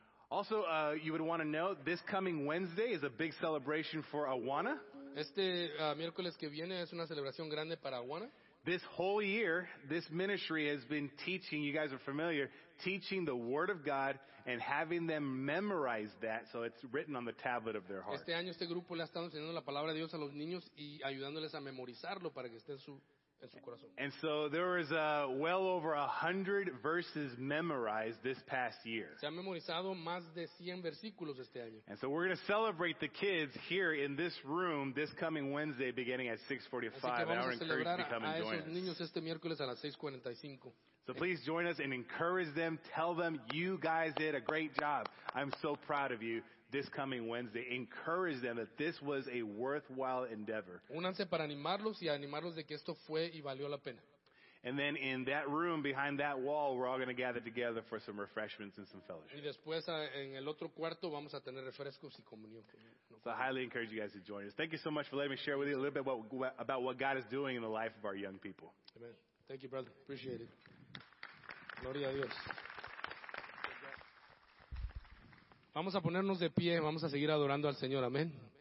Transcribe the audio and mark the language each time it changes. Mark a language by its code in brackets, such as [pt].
[en] Also, you would want to know this coming Wednesday is a big celebration for Awana. [es] Este miércoles que viene es una celebración grande para Awana. [en] This whole year, this ministry has been teaching, you guys are familiar, teaching the Word of God and having them memorize that so it's written on the tablet of their heart. [es] Este año este grupo le ha estado enseñando la palabra de Dios a los niños y ayudándoles a memorizarlo para que esté en su corazón. [en] And so there was well over 100 verses memorized this past year. [es] Se han memorizado más de 100 versículos este año. [en] And so we're going to celebrate the kids here in this room this coming Wednesday beginning at 6:45. [es] Así que vamos a celebrar a esos niños este miércoles a las 6:45. [en] So please join us and encourage them. Tell them you guys did a great job. I'm so proud of you. This coming Wednesday, encourage them that this was a worthwhile endeavor. [es] Únanse para animarlos y animarlos de que esto fue y valió la pena. [en] And then in that room behind that wall, we're all going to gather together for some refreshments and some fellowship. [es] Y después en el otro cuarto vamos a tener refrescos y comunión. [en] So I highly encourage you guys to join us. Thank you so much for letting me share with you a little bit about what God is doing in the life of our young people. Amen. Thank you, brother. Appreciate it. [es] Gloria a Dios. Vamos a ponernos de pie. Vamos a seguir adorando al Señor. Amen.